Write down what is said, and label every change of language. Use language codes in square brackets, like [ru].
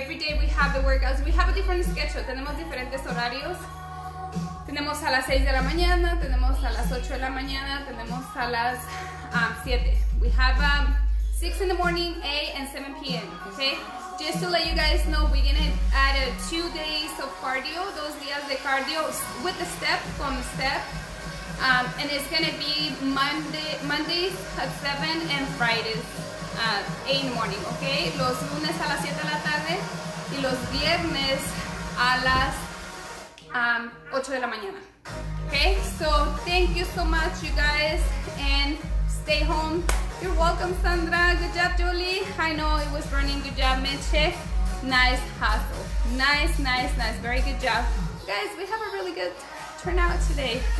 [en] Every day we have the workouts. We have a different schedule. [es] Tenemos diferentes horarios. Tenemos a las 6 de la mañana. Tenemos a las 8 de la mañana. Tenemos a las 7. [en] We have 6 in the morning, 8 and 7 p.m., okay? Just to let you guys know, we're going to add 2 days of cardio. [es] Dos días de cardio [en] with the step, [es] con step. [en] And it's going to be Mondays at 7 and Fridays. 8 in the morning, okay? [es] Los lunes a las 7 de la tarde y los viernes a las 8 de la mañana. [en] Okay? So, thank you so much, you guys, and stay home. You're welcome, Sandra. Good job, Julie. I know it was running. Good job, Meche. Nice hustle. Nice, nice, nice. Very good job. Guys, we have a really good turnout today.